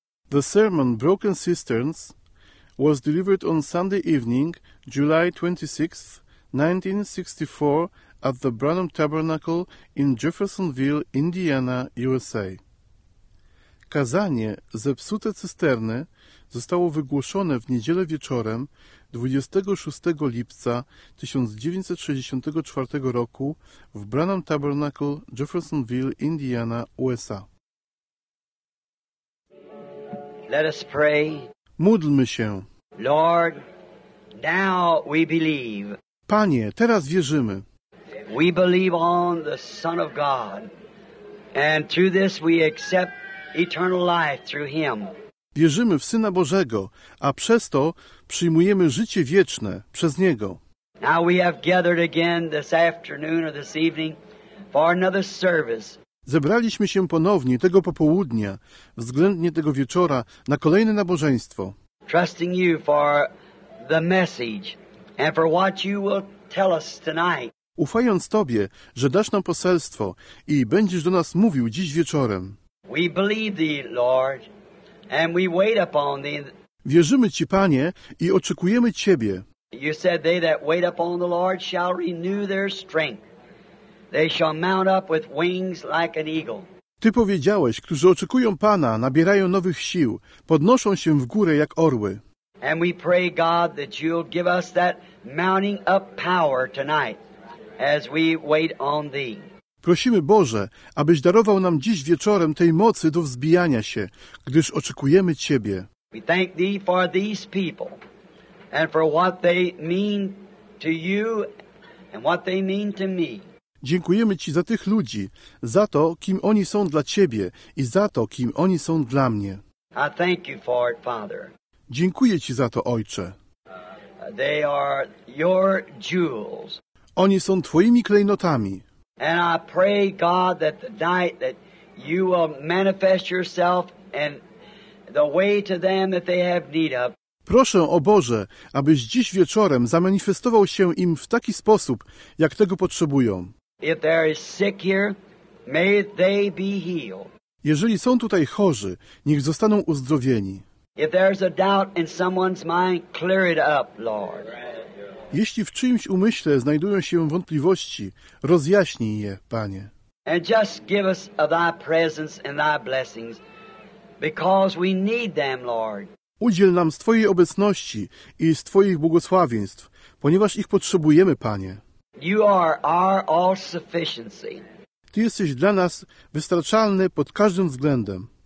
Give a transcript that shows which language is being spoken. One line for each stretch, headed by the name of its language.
English: The sermon, Broken Cisterns, was delivered on Sunday evening, July 26, 1964, at the Branham Tabernacle in Jeffersonville, Indiana, USA.
Polish: Kazanie Zepsute Cysterny zostało wygłoszone w niedzielę wieczorem 26 lipca 1964 roku w Branham Tabernacle, Jeffersonville, Indiana, USA.
English: Let us pray.
Polish: Módlmy się.
English: Lord, now we believe.
Polish: Panie, teraz wierzymy.
English: We believe on the Son of God, and through this we accept eternal life through Him.
Polish: Wierzymy w Syna Bożego, a przez to przyjmujemy życie wieczne przez Niego.
English: Now we have gathered again this afternoon or this evening for another service.
Polish: Zebraliśmy się ponownie tego popołudnia, względnie tego wieczora, na kolejne nabożeństwo.
English: Trusting you for the message and for what you will tell us tonight.
Polish: Ufając Tobie, że dasz nam poselstwo i będziesz do nas mówił dziś wieczorem.
English: We believe thee, Lord, and we wait upon thee.
Polish: Wierzymy Ci, Panie, i oczekujemy Ciebie.
English: You said they that wait upon the Lord shall renew their strength. They shall mount up with wings like an eagle.
Polish: Ty powiedziałeś, którzy oczekują Pana, nabierają nowych sił, podnoszą się w górę jak orły.
English: And we pray, God, that you'll give us that mounting up power tonight as we wait on thee.
Polish: Prosimy, Boże, abyś darował nam dziś wieczorem tej mocy do wzbijania się, gdyż oczekujemy Ciebie.
English: We thank thee for these people and for what they mean to you and what they mean to me.
Polish: Dziękujemy Ci za tych ludzi, za to, kim oni są dla Ciebie i za to, kim oni są dla mnie.
English: I thank you for it, Father.
Polish: Dziękuję Ci za to, Ojcze.
English: They are your jewels.
Polish: Oni są Twoimi klejnotami.
English: And I pray, God, that the night that you will manifest yourself and the way to them that they have need of.
Polish: Proszę, o Boże, abyś dziś wieczorem zamanifestował się im w taki sposób, jak tego potrzebują.
English: If there is sick here, may they be healed.
Polish: Jeżeli są tutaj chorzy, niech zostaną uzdrowieni.
English: If there is a doubt in someone's mind, clear it up, Lord.
Polish: Jeśli w czyimś umyśle znajdują się wątpliwości, rozjaśnij je, Panie.
English: And just give us of thy presence and thy blessings, because we need them, Lord.
Polish: Udziel nam z Twojej obecności i z Twoich błogosławieństw, ponieważ ich potrzebujemy, Panie.
English: You are our all sufficiency.
Polish: Ty jesteś dla nas wystarczalny pod każdym względem.